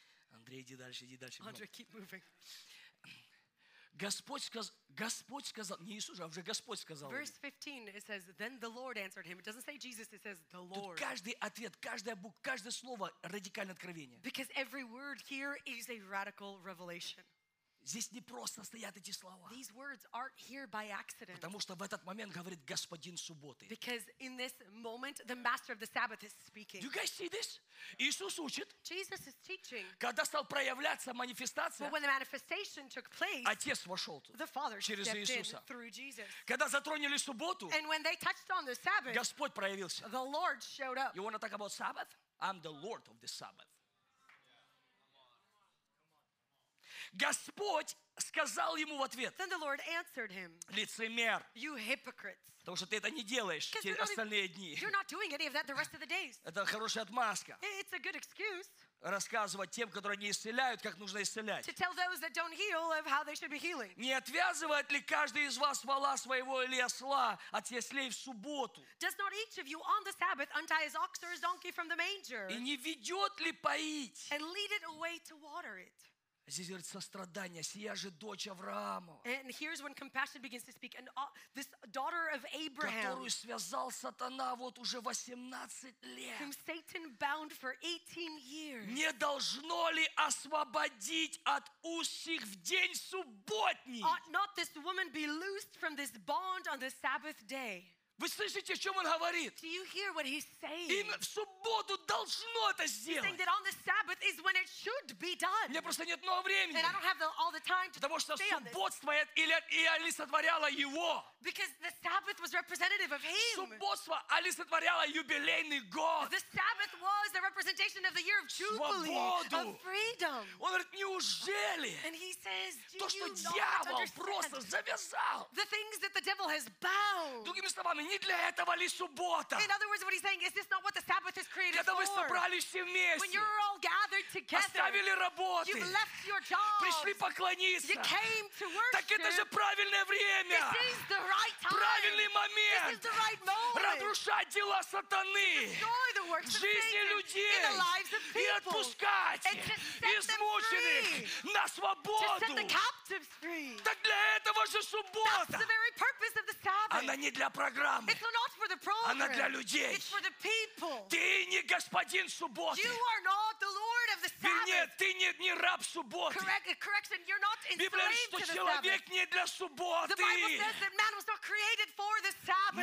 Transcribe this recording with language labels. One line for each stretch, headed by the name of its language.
Russian: Андрей, иди дальше, иди дальше.
English: Andre, keep moving.
Russian: Господь сказал, не Иисус, а уже Господь сказал.
English: Verse 15, it says, then the Lord answered him. It doesn't say Jesus, it says the Lord.
Russian: Тут каждый ответ, каждая буква, каждое слово радикальное откровение.
English: Because every word here is a radical revelation.
Russian: Здесь не просто стоят эти слова.
English: These words aren't here by accident.
Russian: Потому что в этот момент говорит Господин субботы.
English: Because in this moment, the master of the Sabbath is speaking. Do you guys see this?
Russian: Иисус учит.
English: Jesus is teaching.
Russian: Когда стал проявляться манифестация,
English: but when the manifestation took place,
Russian: Отец вошел туда.
English: The Father
Russian: через
English: stepped
Russian: Иисуса.
English: In through Jesus.
Russian: Когда затронули субботу,
English: and when they touched on the Sabbath,
Russian: Господь проявился.
English: The Lord showed up. You want to talk about Sabbath? I'm the Lord of the Sabbath.
Russian: Господь сказал ему в ответ.
English: Then the Lord answered him.
Russian: Лицемер.
English: You hypocrites.
Russian: Потому что ты это не делаешь те остальные дни.
English: You're not doing any of that the rest of the days.
Russian: Это хорошая отмазка.
English: It's a good excuse.
Russian: Рассказывать тем, которые не исцеляют, как нужно исцелять.
English: To tell those that don't heal of how they should be healing.
Russian: Не отвязывает ли каждый из вас вола своего или осла от яслей в субботу?
English: Does not each of you on the Sabbath untie his ox or his donkey from the manger?
Russian: И не ведет ли поить?
English: And lead it away to water it.
Russian: Здесь говорит сострадание. Сия же дочь Авраамова.
English: And here's when compassion begins to speak. And this daughter of Abraham,
Russian: которую связал сатана вот уже 18 лет,
English: whom Satan bound for 18 years,
Russian: не должно ли освободить от уз сих в день субботний?
English: Ought not this woman be loosed from this bond on the Sabbath day?
Russian: Вы слышите, о чем он говорит?
English: Do you hear what he's saying?
Russian: Им в субботу должно это сделать.
English: He's saying that on the Sabbath is when it should be done.
Russian: Мне просто нет много времени.
English: And I don't have all the time to stay on this.
Russian: Потому что субботство или олицетворяло его.
English: Because the Sabbath was representative of him.
Russian: Субботство олицетворяло юбилейный год.
English: The Sabbath was the representation of the year of jubilee.
Russian: Свободу.
English: Of freedom.
Russian: Он говорит, неужели?
English: And he says, do
Russian: то,
English: you not understand?
Russian: Просто завязал.
English: The things that the devil has bound.
Russian: Другими словами, не для этого ли суббота?
English: In other words, what he's saying is this not what the Sabbath is created for?
Russian: Когда вы собрались все вместе,
English: when you're all gathered together,
Russian: оставили работы,
English: you've left your job,
Russian: пришли поклониться,
English: you came to worship,
Russian: так это же правильное время,
English: this is the right time,
Russian: правильный момент,
English: this is the right moment,
Russian: разрушать дела сатаны,
English: destroy the works of Satan,
Russian: жизни людей,
English: in the lives of people,
Russian: и отпускать измученных на свободу,
English: to set the captives free.
Russian: Так для этого же суббота.
English: That's the very purpose of the Sabbath.
Russian: Она не для программы.
English: It's not for the program.
Russian: Она для людей.
English: It's for the people.
Russian: Ты не господин субботы.
English: You are not the Lord of the Sabbath.
Russian: Нет, ты не раб субботы.
English: Correction, you're not enslaved to the Sabbath.
Russian: Библия говорит, что человек не для субботы.
English: The Bible says that man was not created for the Sabbath.